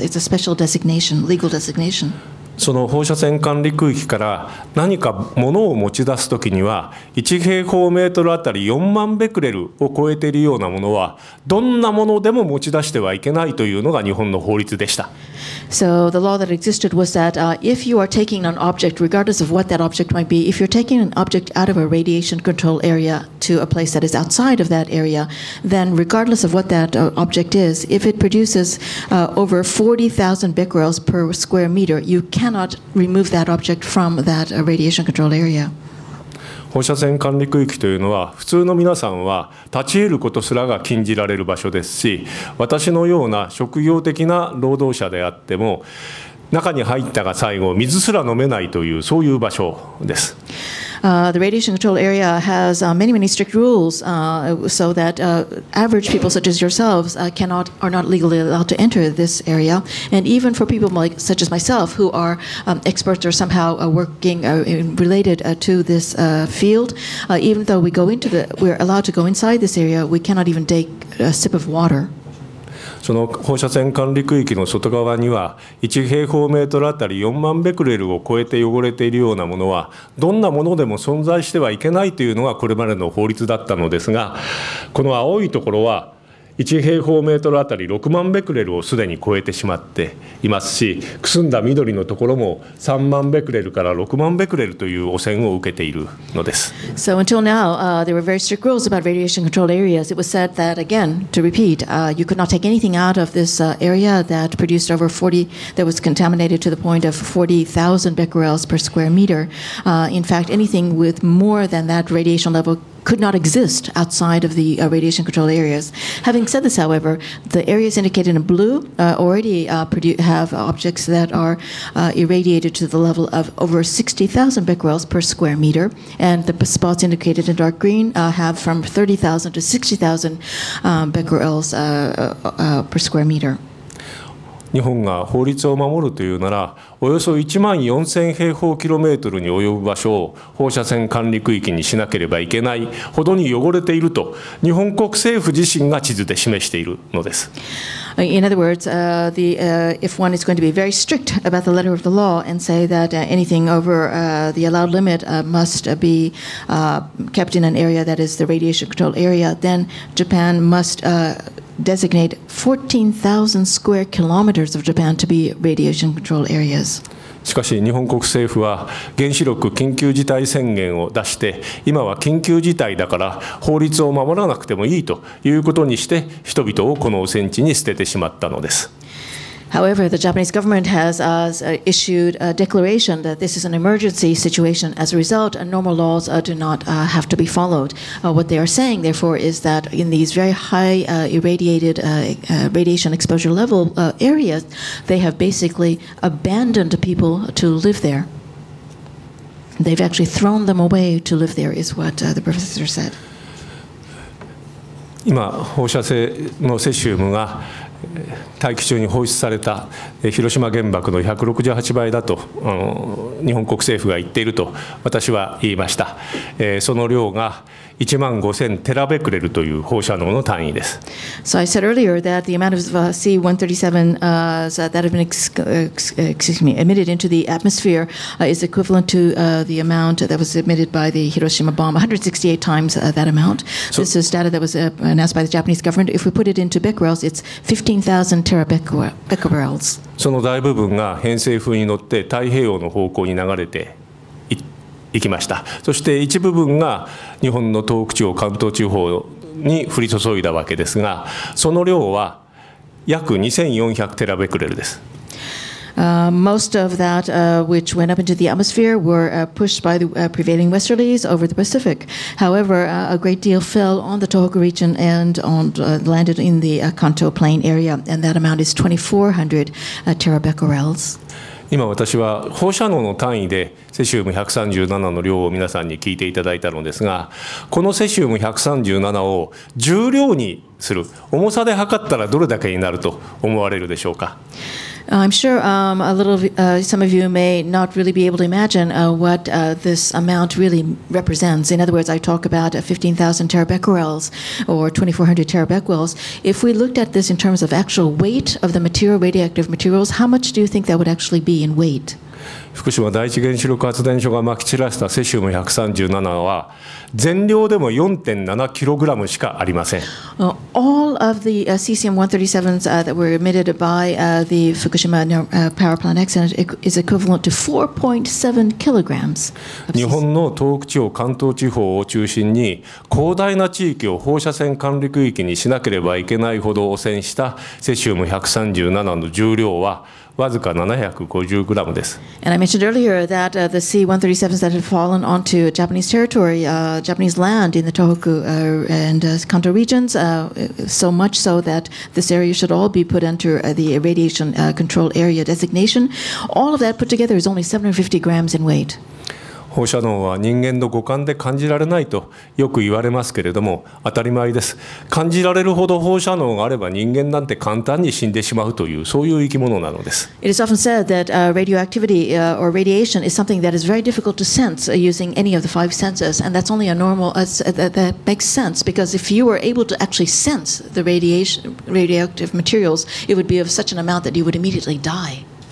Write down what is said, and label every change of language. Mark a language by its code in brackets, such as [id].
[en] It's a special designation, legal designation. [ja] その放射線管理区域から何か物を持ち出すときには1平方メートルあたり4万ベクレルを超えているようなものはどんなものでも持ち出してはいけないというのが日本の法律でした。 [en] So the law that existed was that if you are taking an object, regardless of what that object might be, if you're taking an object out of a radiation control area to a place that is outside of that area, then regardless of what that object is, if it produces over 40,000 becquerels per square meter, you cannot remove that object from that radiation control area. [ja] 放射線管理区域というのは普通の皆さんは立ち入ることすらが禁じられる場所ですし、私のような職業的な労働者であっても中に入ったが最後水すら飲めないというそういう場所です。 [en] The radiation control area has many, many strict rules so that average people such as yourselves are not legally allowed to enter this area. And even for people like, such as myself who are experts or somehow working related to this field, even though we're allowed to go inside this area, we cannot even take a sip of water. [ja] その放射線管理区域の外側には1平方メートルあたり4万ベクレルを超えて汚れているようなものはどんなものでも存在してはいけないというのがこれまでの法律だったのですが、この青いところは1平方メートルあたり6万ベクレルをすでに超えてしまっていますし、くすんだ緑のところも3万ベクレルから6万ベクレルという汚染を受けているのです。 [en] So until now, there were very strict rules about radiation control areas. It was said that, again, to repeat, you could not take anything out of this area that produced over 40, that was contaminated to the point of 40,000 becquerels per square meter. In fact, anything with more than that radiation level could not exist outside of the radiation control areas. Having said this, however, the areas indicated in blue already have objects that are irradiated to the level of over 60,000 becquerels per square meter, and the spots indicated in dark green have from 30,000 to 60,000 becquerels per square meter. [ja] 日本が法律を守るというなら、およそ1万4000平方キロメートルに及ぶ場所を放射線管理区域にしなければいけないほどに汚れていると、日本国政府自身が地図で示しているのです。 [en] In other words, if one is going to be very strict about the letter of the law and say that anything over the allowed limit must be kept in an area that is the radiation control area, then Japan must designate 14,000 square kilometers of Japan to be radiation control areas. [ja] しかし日本国政府は原子力緊急事態宣言を出して、今は緊急事態だから法律を守らなくてもいいということにして、人々をこの汚染地に捨ててしまったのです。 [en] However, the Japanese government has issued a declaration that this is an emergency situation. As a result, normal laws do not have to be followed. What they are saying, therefore, is that in these very high irradiated radiation exposure level areas, they have basically abandoned people to live there. They've actually thrown them away to live there, is what the professor said. [ja] 今、放射性のセシウムが大気中に放出された広島原爆の168倍だと日本国政府が言っていると私は言いました。その量が1万5000テラベクレルという放射能の単位です。 [en] So I said earlier that the amount of C-137 that have been emitted into the atmosphere is equivalent to the amount that was emitted by the Hiroshima bomb, 168 times that amount. This is data that was announced by the Japanese government. If we put it into becquerels, it's 15,000 terabecquerels. [ja] その大部分が偏西風に乗って太平洋の方向に流れて行きました。そして一部分が日本の東北地方、関東地方に降り注いだわけですが、その量は約2400テラベクレルです。 [en] Most of that which went up into the atmosphere were pushed by the prevailing westerlies over the Pacific. However, a great deal fell on the Tohoku region and on, landed in the Kanto Plain area, and that amount is 2400 terabecquerels. [ja] 今私は放射能の単位でセシウム137の量を皆さんに聞いていただいたのですが、このセシウム137を重量にする、重さで測ったらどれだけになると思われるでしょうか。 [en] I'm sure a little, some of you may not really be able to imagine what this amount really represents. In other words, I talk about 15,000 terabecquerels or 2,400 terabecquerels. If we looked at this in terms of actual weight of the material, radioactive materials, how much do you think that would actually be in weight? [ja] 福島第一原子力発電所がまき散らしたセシウム137は全量でも 4.7 キログラムしかありません。 [en] All of the cesium-137s that were emitted by the Fukushima power plant accident is equivalent to 4.7 kilograms. [ja] 日本の東北地方、関東地方を中心に広大な地域を放射線管理区域にしなければいけないほど汚染したセシウム137の重量はわずか750グラムです。 [en] And I mentioned earlier that the C-137s that had fallen onto Japanese territory, Japanese land in the Tohoku and Kanto regions, so much so that this area should all be put under the radiation control area designation. All of that put together is only 750 grams in weight. [ja] 放射能は人間の五感で感じられないとよく言われますけれども、当たり前です。感じられるほど放射能があれば人間なんて簡単に死んでしまうという、そういう生き物なのです。 [en] It is often said that radioactivity or radiation is something that is very difficult to sense using any of the five senses, and that's only a normal, that makes sense, because if you were able to actually sense the radioactive materials, it would be of such an amount that you would immediately die.